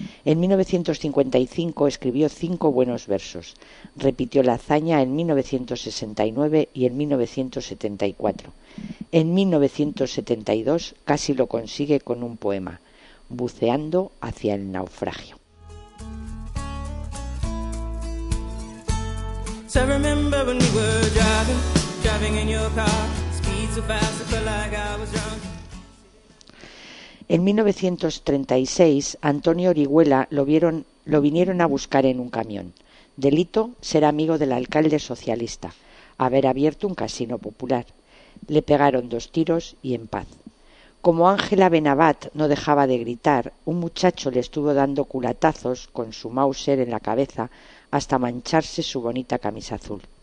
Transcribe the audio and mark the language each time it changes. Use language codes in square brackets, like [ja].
[es] En 1955 escribió 5 buenos versos. Repitió la hazaña en 1969 y en 1974. En 1972 casi lo consigue con un poema, Buceando hacia el naufragio. [en] I remember when we were driving in your car, speed so fast I felt like I was drunk. [es] En 1936, Antonio Orihuela lo vinieron a buscar en un camión. Delito, ser amigo del alcalde socialista, haber abierto un casino popular. Le pegaron 2 tiros y en paz. Como Ángela Benabat no dejaba de gritar, un muchacho le estuvo dando culatazos con su Mauser en la cabeza hasta mancharse su bonita camisa azul.